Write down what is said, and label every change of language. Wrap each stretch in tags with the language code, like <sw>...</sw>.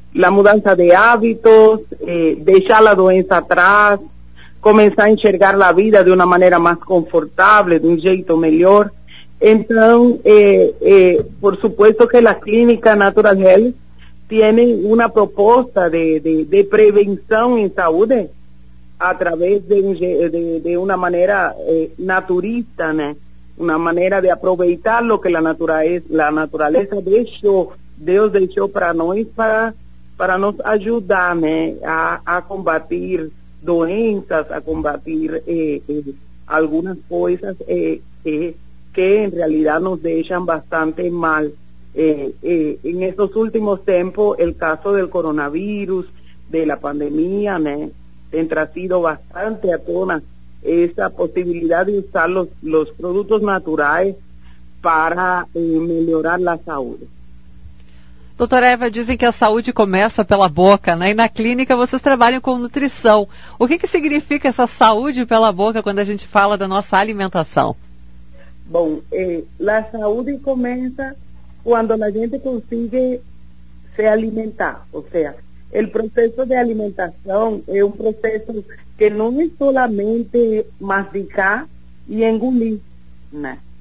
<pt>A mudança de hábitos, deixar a doença atrás, começar a enxergar a vida de uma maneira mais confortável, de um jeito melhor. Então,</pt> <es>por supuesto</es> <pt>que a Clínica Natural Health tem uma proposta de prevenção em saúde através de uma maneira naturista, né?</pt> <es>Una manera de aprovechar lo que la naturaleza dejó, Dios dejó para nosotros, para nos ayudar, ¿no? A combatir doenças, a combatir algunas cosas que en realidad nos dejan bastante mal. En estos últimos tiempos, el caso del coronavirus, de la pandemia, ¿no? Entra sido bastante a tona esa posibilidad de usar los productos naturales para mejorar la salud.</es> <pt>Doutora Eva, dizem que a saúde começa pela boca, né? E na clínica vocês trabalham com nutrição. O que que significa essa saúde pela boca quando a gente fala da nossa alimentação? Bom, a saúde começa quando a gente consegue se alimentar, ou seja, o processo de alimentação é um processo que não é</pt> <es>solamente masticar</es> <pt>e engolir, né?</pt>